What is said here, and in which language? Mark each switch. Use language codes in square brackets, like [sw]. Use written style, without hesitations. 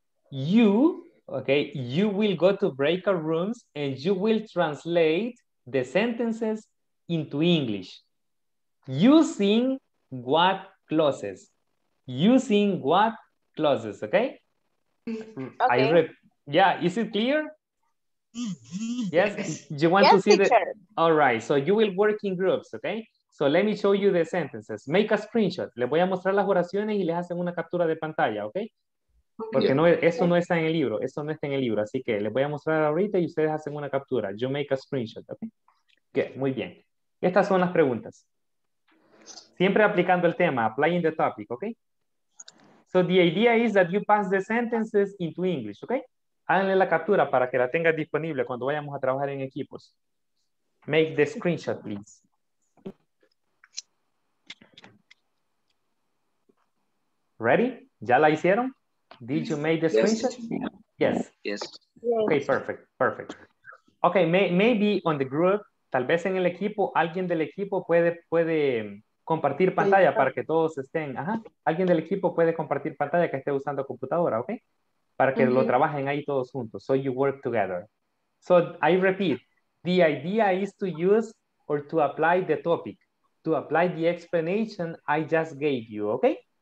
[en] You will go to breakout rooms and you will translate the sentences into English using what clauses? Using what clauses, okay? Okay. Is it clear? Yes, you want to see teacher. The... All right, so you will work in groups, okay? So let me show you the sentences. Make a screenshot. [es] Les voy a mostrar las oraciones y les hacen una captura de pantalla, okay? Porque no, eso no está en el libro. Eso no está en el libro. Así que les voy a mostrar ahorita y ustedes hacen una captura. [en] You make a screenshot, okay? Good, [es] muy bien. Estas son las preguntas. Siempre aplicando el tema, [en] applying the topic, [es] okay? [en] So the idea is that you pass the sentences into English, okay? [es] Háganle la captura para que la tenga disponible cuando vayamos a trabajar en equipos. [en] Make the screenshot, please. Ready? [es] ¿Ya la hicieron? [en] Did you make the screenshot? Yes. Yes. Okay, perfect. Perfect. Okay, maybe on the group, [es] tal vez en el equipo, alguien del equipo puede compartir pantalla para que todos estén. Ajá. Alguien del equipo puede compartir pantalla que esté usando computadora, okay? Para que lo trabajen ahí todos juntos. [en] So you work together. So I repeat, the idea is to use or to apply the topic, to apply the explanation I just gave you, okay?